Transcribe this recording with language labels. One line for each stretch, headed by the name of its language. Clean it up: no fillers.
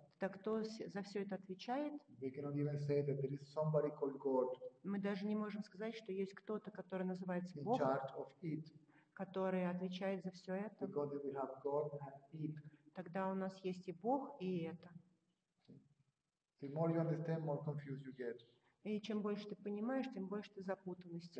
Russian: Так кто за все это отвечает?
English: We cannot even say that there is somebody called God.
Russian: Мы даже не можем сказать, что есть кто-то, который называется
English: in
Russian: Бог,
English: charge of it.
Russian: Который отвечает за все это.
English: Because we have God and it.
Russian: Тогда у нас есть и Бог, и это.
English: The more you understand, more confused you get.
Russian: И чем больше ты понимаешь, тем больше ты запутанности.